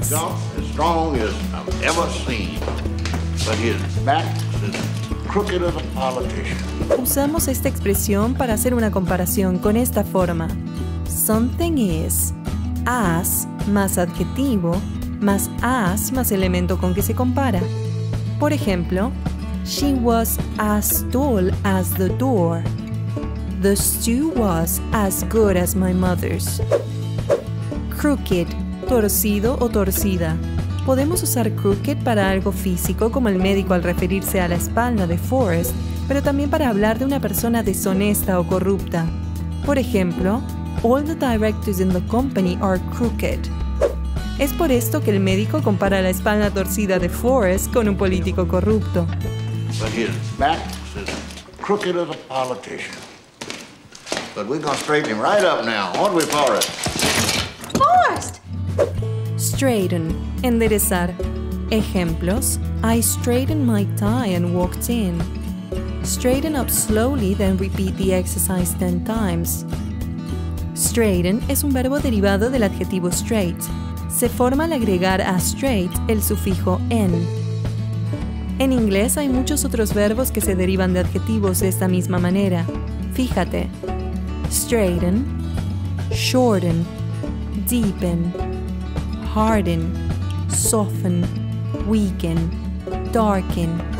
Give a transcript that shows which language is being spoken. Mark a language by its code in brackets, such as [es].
[en] As strong as I've ever seen, but his back is crooked as a politician. [es] Usamos esta expresión para hacer una comparación con esta forma. Something is as más adjetivo más as más elemento con que se compara. Por ejemplo, [en] she was as tall as the door. The stew was as good as my mother's. [es] Crooked, torcido o torcida. Podemos usar crooked para algo físico como el médico al referirse a la espalda de Forrest, pero también para hablar de una persona deshonesta o corrupta. Por ejemplo, [en] all the directors in the company are crooked. [es] Es por esto que el médico compara la espalda torcida de Forrest con un político corrupto. [en] But his back is as crooked as a politician. But we're gonna straighten him right up now, aren't we, Forrest? Forrest! [es] Straighten, enderezar. Ejemplos, [en] I straightened my tie and walked in. Straighten up slowly, then repeat the exercise 10 times. [es] Straighten es un verbo derivado del adjetivo straight. Se forma al agregar a straight el sufijo en. En inglés hay muchos otros verbos que se derivan de adjetivos de esta misma manera. Fíjate. [en] Straighten, shorten, deepen, harden, soften, weaken, darken.